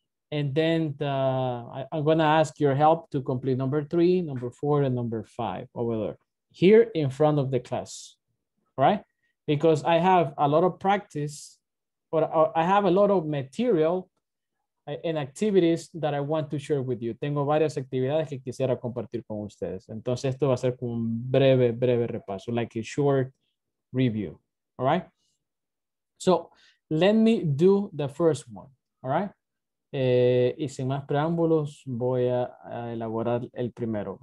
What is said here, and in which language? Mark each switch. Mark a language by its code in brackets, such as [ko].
[en] And then I'm gonna ask your help to complete number three, number four, and number five over there, here in front of the class, right? Because I have a lot of practice, or I have a lot of material and activities that I want to share with you. [es] Tengo varias actividades que quisiera compartir con ustedes. Entonces esto va a ser como un breve repaso, [en] like a short review, all right? So let me do the first one, all right? [es] Y sin más preámbulos, voy a elaborar el primero.